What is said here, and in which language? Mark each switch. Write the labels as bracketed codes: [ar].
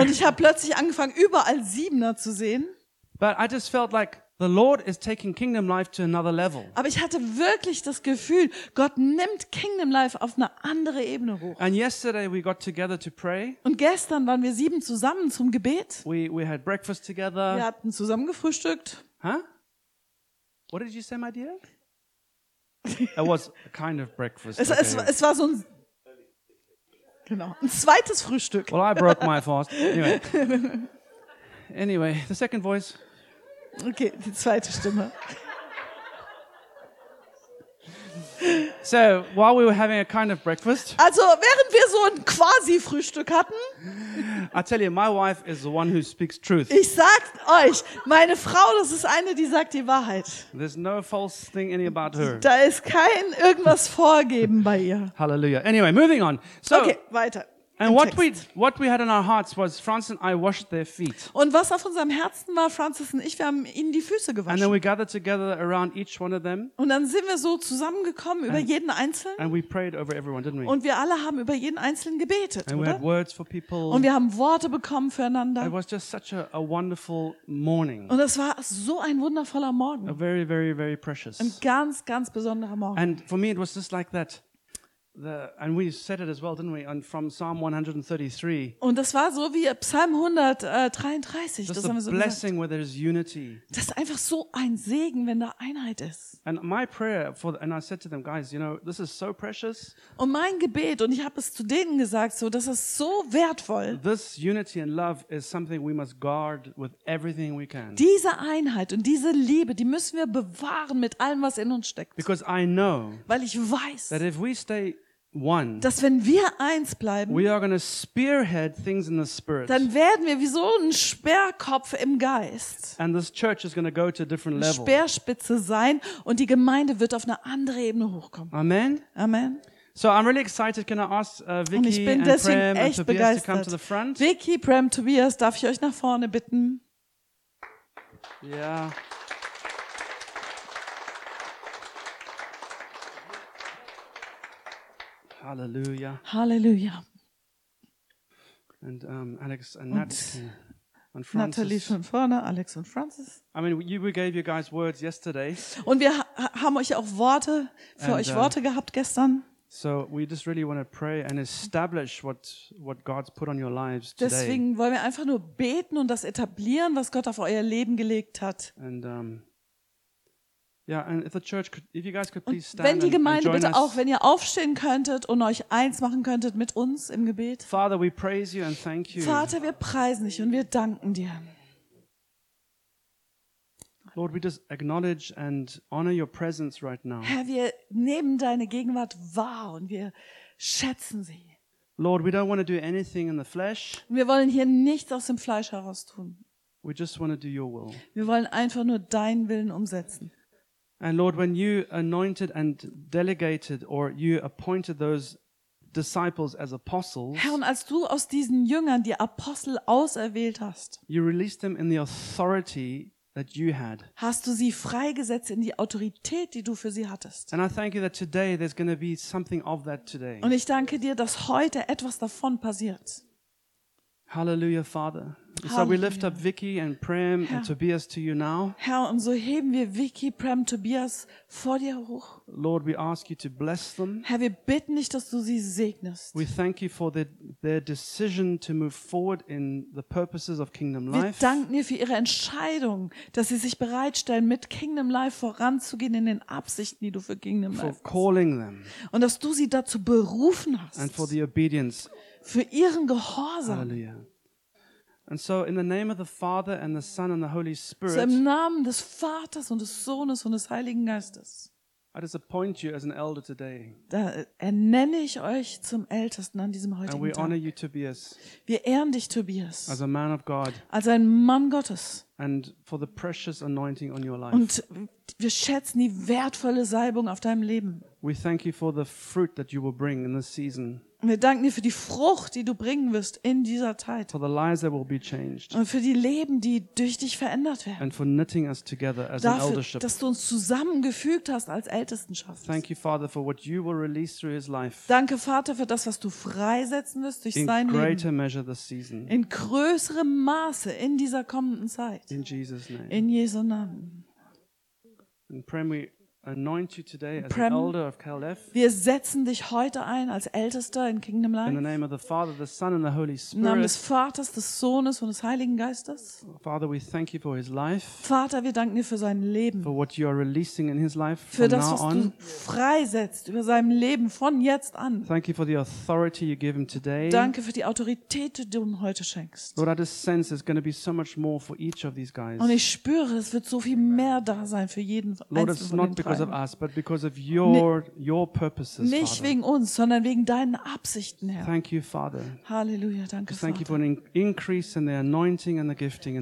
[de] Und ich habe plötzlich angefangen, überall Siebener zu sehen. [en] But I just felt like the Lord is taking Kingdom Life to another level. [de] Aber ich hatte wirklich das Gefühl, Gott nimmt Kingdom Life auf eine andere Ebene hoch. [en] And yesterday we got together to pray. [de] Und gestern waren wir sieben zusammen zum Gebet. [en] We had breakfast together. [de] Wir hatten zusammen gefrühstückt. [en] Huh? What did you say, my dear? It was a kind of breakfast. [de] Es war so ein, genau, ein zweites Frühstück. [en] Well, I broke my fast. Anyway, the second voice. [de] Okay, die zweite Stimme. [en] So, while we were having a kind of breakfast. [de] Also, während wir so ein quasi Frühstück hatten. [en] I tell you, my wife is the one who speaks truth. [de] Ich sag euch, meine Frau, das ist eine, die sagt die Wahrheit. [en] There's no false thing any about her. [de] Da ist kein irgendwas vorgeben bei ihr. [en] Hallelujah. Anyway, moving on. So, [de] okay, weiter. [en] And what we had in our hearts was Francis and I washed their feet. [de] Und was auf unserem Herzen war, Francis und ich, wir haben ihnen die Füße gewaschen. [en] And then we gathered together around each one of them. [de] Und dann sind wir so zusammengekommen über jeden Einzelnen. [en] And we prayed over everyone, didn't we? [de] Und wir alle haben über jeden Einzelnen gebetet, [en] and [de] oder? [en] We had words for people. [de] Und wir haben Worte bekommen füreinander. [en] It was just such a wonderful morning. [de] Und es war so ein wundervoller Morgen. [en] A very, very, very precious. [de] Ein ganz, ganz besonderer Morgen. [en] And for me it was just like that. And we said it as well, didn't we? And from Psalm 133. [de] Und das war so wie Psalm 133. Das haben wir so [en] blessing where there is unity. [de] Das ist einfach so ein Segen, wenn da Einheit ist. [en] And my prayer for and I said to them, guys, you know, this is so precious. [de] Und mein Gebet und ich habe es zu denen gesagt, so das ist so wertvoll. [en] This unity and love is something we must guard with everything we can. [de] Diese Einheit und diese Liebe, die müssen wir bewahren mit allem, was in uns steckt. [en] Because I know. [de] Weil ich weiß. [en] That if we stay one, [de] dass wenn wir eins bleiben, [en] we are going to spearhead things in the spirit, [de] dann werden wir wie so ein Speerkopf im Geist, [en] and this church is going to go to a different level, [de] Speerspitze sein, und die Gemeinde wird auf eine andere Ebene hochkommen. [en] Amen. [de] Amen. [en] So I'm really excited. Can I ask Vicky and Prem and Tobias [de] begeistert. [en] To come to the front? [de] Vicky, Prem, Tobias, darf ich euch nach vorne bitten? Ja. [en] Yeah. Hallelujah. [de] Hallelujah. [en] And Alex and Nat and Francis. [de] Natalie schon vorne, Alex und Francis. [en] I mean, we gave you guys words yesterday. [de] Und wir haben euch auch Worte für euch Worte gehabt gestern. [en] So we just really want to pray and establish what God's put on your lives today. [de] Deswegen wollen wir einfach nur beten und das etablieren, was Gott auf euer Leben gelegt hat. [en] And and if the church could, if you guys could please stand [de] und wenn die Gemeinde bitte auch, wenn ihr aufstehen könntet und euch eins machen könntet mit uns im Gebet. [en] Father, we praise you and thank you. [de] Vater, wir preisen dich und wir danken dir. [en] Lord, we just acknowledge and honor your presence right now. [de] Herr, wir nehmen deine Gegenwart wahr und wir schätzen sie. [en] Lord, we don't want to do anything in the flesh. [de] Wir wollen hier nichts aus dem Fleisch heraus tun. [en] We just want to do your will. [de] Wir wollen einfach nur deinen Willen umsetzen. [en] And Lord, when you anointed and delegated or you appointed those disciples as apostles, [de] Herr, und als du aus diesen Jüngern die Apostel auserwählt hast, [en] you released them in the authority that you had. [de] Hast du sie freigesetzt in die Autorität, die du für sie hattest? [en] And I thank you that today there's going to be something of that today. [de] Und ich danke dir, dass heute etwas davon passiert. [en] Hallelujah, Father. Halleluja. So we lift up Vicky and Prem, Herr, and Tobias to you now. [de] Herr, und so heben wir Vicky, Prem, Tobias vor dir hoch. [en] Lord, we ask you to bless them. [de] Herr, wir bitten dich, dass du sie segnest. [en] We thank you for their decision to move forward in the purposes of Kingdom Life. [de] Wir danken dir für ihre Entscheidung, dass sie sich bereitstellen, mit Kingdom Life voranzugehen in den Absichten, die du für Kingdom Life hast. [en] For calling them. [de] Und dass du sie dazu berufen hast. [en] And for the obedience. [de] Für ihren Gehorsam. [en] Halleluja. And so in the name of the Father and the Son and the Holy Spirit. [de] So im Namen des Vaters und des Sohnes und des Heiligen Geistes. [en] I just appoint you as an elder today. [de] Da ernenne ich euch zum Ältesten an diesem heutigen [en] and we [de] Tag. [en] Honor you, Tobias. [de] Wir ehren dich, Tobias. [en] As a man of God. [de] Als ein Mann Gottes. [en] And for the precious anointing on your life. [de] Und wir schätzen die wertvolle Salbung auf deinem Leben. [en] We thank you for the fruit that you will bring in this season. [de] Wir danken dir für die Frucht, die du bringen wirst in dieser Zeit. [en] For the lives that will be changed. [de] Und für die Leben, die durch dich verändert werden. [en] And for knitting us together as [de] dafür, [en] an eldership. [de] Dass du uns zusammengefügt hast als Ältestenschaft. [en] Thank you, Father, for what you will release through his life. [de] Danke, Vater, für das, was du freisetzen wirst durch [en] in [de] sein [en] greater [de] Leben. [en] Measure this season. [de] In größerem Maße in dieser kommenden Zeit. [en] In Jesus' name. [de] In Jesu Namen. [en] And Prem, we anoint you today as Prem, an elder of Calef. [de] Wir setzen dich heute ein als Ältester in Kingdom Life. [en] In the name of the Father, the Son, and the Holy Spirit. [de] Im Namen des Vaters, des Sohnes und des Heiligen Geistes. [en] Father, we thank you for his life. [de] Vater, wir danken dir für sein Leben. [en] For what you are releasing in his life [de] für das, [en] now [de] was [en] on. [de] Du freisetzt über seinem Leben von jetzt an. [en] Thank you for the authority you give him today. [de] Danke für die Autorität, die du ihm heute schenkst. [en] Lord, I just sense there's going to be so much more for each of these guys. [de] Und ich spüre, es wird so viel mehr da sein für jeden [en] Lord, [de] einzelnen von ihnen. [en] Because of us, but because of your purposes, [de] nicht [en] Father. [de] Wegen uns, sondern wegen deinen Absichten, Herr. [en] Thank you, Father. [de] Halleluja, danke, [en] thank [de] Vater. [en] You for an increase in the anointing and the gifting.